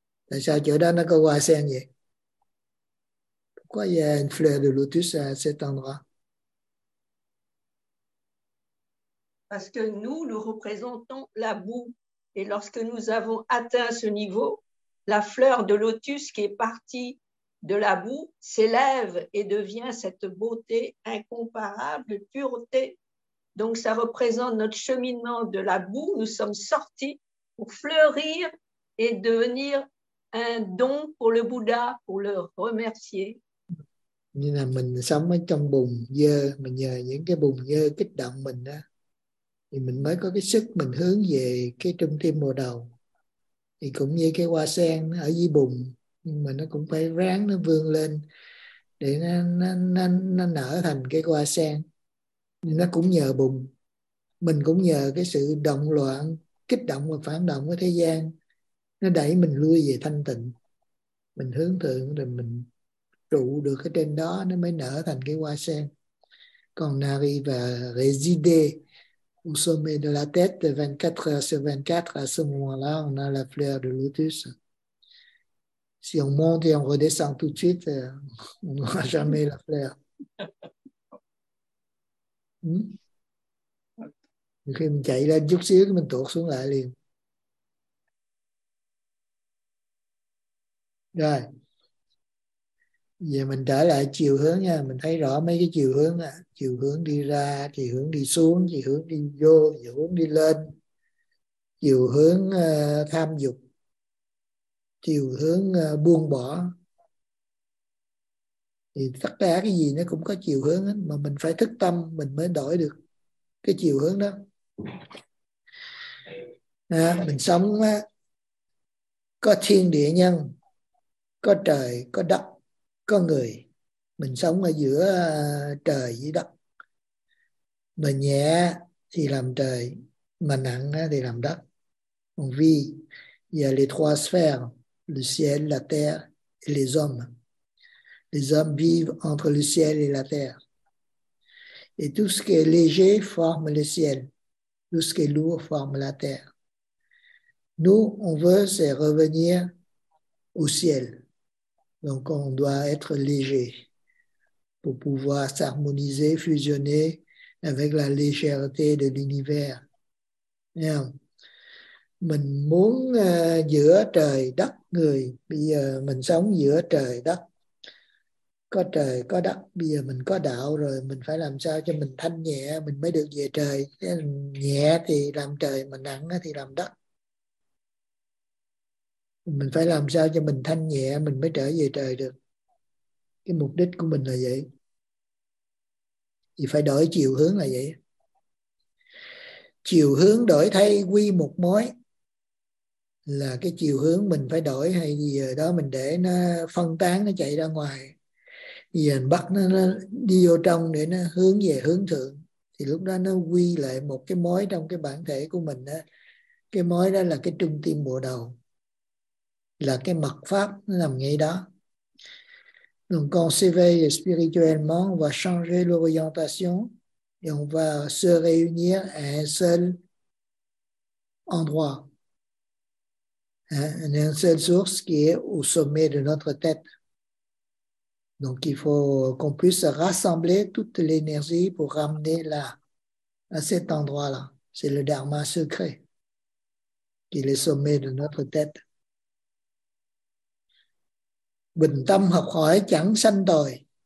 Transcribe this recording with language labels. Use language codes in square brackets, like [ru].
[vi] Tại sao chỗ đó nó có hoa sen vậy? [fr] Pourquoi il y a une fleur de lotus à cet endroit? Parce que nous, nous représentons la boue. Et lorsque nous avons atteint ce niveau, la fleur de lotus qui est partie de la boue s'élève et devient cette beauté incomparable, pureté. Donc ça représente notre cheminement de la boue. Nous sommes sortis pour fleurir et devenir un don pour le Bouddha, pour le remercier. [vi] Như là mình sống ở trong bùn dơ, mình nhờ những cái bùn dơ kích động mình đó, thì mình mới có cái sức mình hướng về cái trung tâm bồ đầu. Thì cũng như cái hoa sen ở dưới bùn, nhưng mà nó cũng phải ráng nó vươn lên để nó nở thành cái hoa sen. Nó cũng nhờ bùn, mình cũng nhờ cái sự động loạn, kích động và phản động của thế gian, nó đẩy mình lui về thanh tịnh. Mình hướng thượng rồi mình trụ được ở trên đó, nó mới nở thành cái hoa sen. [fr] Còn Nari và Réside au sommet de la tête 24 heures sur 24, à ce moment-là on a la fleur de lotus. Si on monte et on redescend tout de suite, on n'aura jamais la fleur. Hmm? [vi] Khi mình chạy lên chút xíu, mình tuột xuống lại liền. Rồi. Giờ mình trở lại chiều hướng nha. Mình thấy rõ mấy cái chiều hướng. À. Chiều hướng đi ra, chiều hướng đi xuống, chiều hướng đi vô, chiều hướng đi lên. Chiều hướng tham dục. Chiều hướng buông bỏ. Thì tất cả cái gì nó cũng có chiều hướng ấy, mà mình phải thức tâm mình mới đổi được cái chiều hướng đó. À, mình sống á, có thiên địa nhân, có trời, có đất, có người. Mình sống ở giữa trời với đất. Mình nhẹ thì làm trời, mà nặng thì làm đất. [fr] On vit, il y a les trois sphères, le ciel, la terre et les hommes. Les hommes vivent entre le ciel et la terre. Et tout ce qui est léger forme le ciel, tout ce qui est lourd forme la terre. Nous, on veut, c'est revenir au ciel. Donc, on doit être léger pour pouvoir s'harmoniser, fusionner avec la légèreté de l'univers. Bien. [vi] Mình muốn giữa trời, đất, người. Bây giờ mình sống giữa trời, đất. Có trời, có đất. Bây giờ mình có đạo rồi. Mình phải làm sao cho mình thanh nhẹ. Mình mới được về trời. Nhẹ thì làm trời. Mà nặng thì làm đất. Mình phải làm sao cho mình thanh nhẹ. Mình mới trở về trời được. Cái mục đích của mình là vậy. Thì phải đổi chiều hướng là vậy. Chiều hướng đổi thay quy một mối. Là cái chiều hướng mình phải đổi hay gì đó. Mình để nó phân tán, nó chạy ra ngoài. Vì mình bắt nó đi vô trong để nó hướng về hướng thượng. Thì lúc đó nó quy lại một cái mối trong cái bản thể của mình. Đó. Cái mối đó là cái trung tâm bộ đầu. Là cái mật pháp nó nằm ngay đó. [fr] Donc on s'éveille spirituellement, on va changer l'orientation et on va se réunir à un seul endroit. Hein? Une seule source qui est au sommet de notre tête. Donc il faut qu'on puisse rassembler toute l'énergie pour ramener là, à cet endroit-là. C'est le dharma secret qui est le sommet de notre tête. [vi] Bình tâm học hỏi chẳng sanh tồi.